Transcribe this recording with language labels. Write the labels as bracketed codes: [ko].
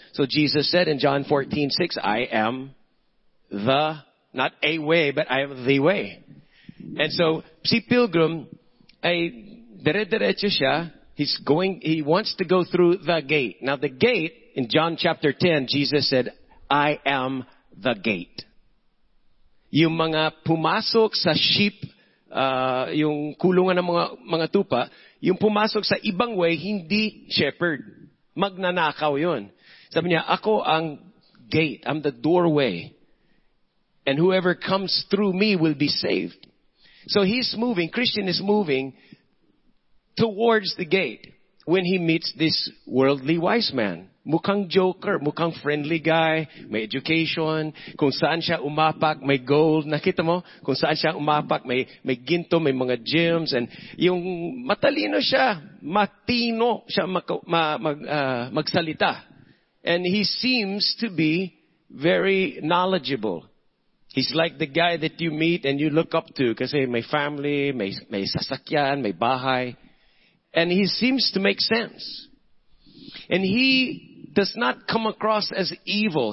[en] So Jesus said in John 14:6, I am the, not a way, but I am the way. [tl] And so, si Pilgrim ay dere-derecho siya. [en] He wants to go through the gate. Now the gate, in John chapter 10, Jesus said, I am the gate. [tl] Yung mga pumasok sa sheep, yung kulungan ng mga tupa, yung pumasok sa ibang way, hindi shepherd. Magnanakaw yun. Sabi niya, ako ang gate. [en] I'm the doorway. And whoever comes through me will be saved. So he's moving, Christian is moving towards the gate when he meets this worldly wise man. [tl] Mukhang joker, mukhang friendly guy, may education, kung saan siya umapak, may gold, nakita mo? Kung saan siya umapak, may ginto, may mga gems, and yung matalino siya, matino siya magsalita. [en] And he seems to be very knowledgeable. He's like the guy that you meet and you look up to, [tl] kasi may family, may sasakyan, may bahay. [en] And he seems to make sense. And he does not come across as evil.